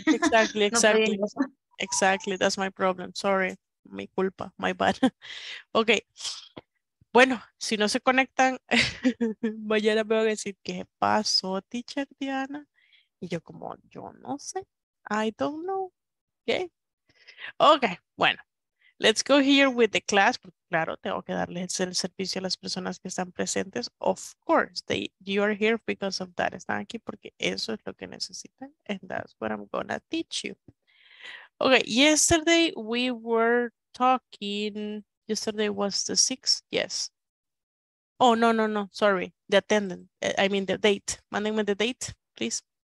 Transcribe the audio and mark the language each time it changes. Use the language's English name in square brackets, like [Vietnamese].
[English] Exactly, exactly. No, exactly, that's my problem. Sorry. [Spanish] Mi culpa. [English] My bad. Okay. [Spanish] Bueno, si no se conectan, mañana me van a decir, ¿qué pasó, teacher Diana? Y yo como, yo no sé, [English] I don't know, [Spanish] okay. [English] Okay, [Spanish] bueno, [English] let's go here with the class. [Spanish] Claro, tengo que darles el servicio a las personas que están presentes. [English] Of course, you are here because of that. [Spanish] Están aquí porque eso es lo que necesitan. [English] And that's what I'm gonna teach you. Okay, yesterday we were talking... Yesterday was the 6th, yes. Oh, no, sorry. The attendance, I mean the date. [Spanish] Mándenme [English] the date, please.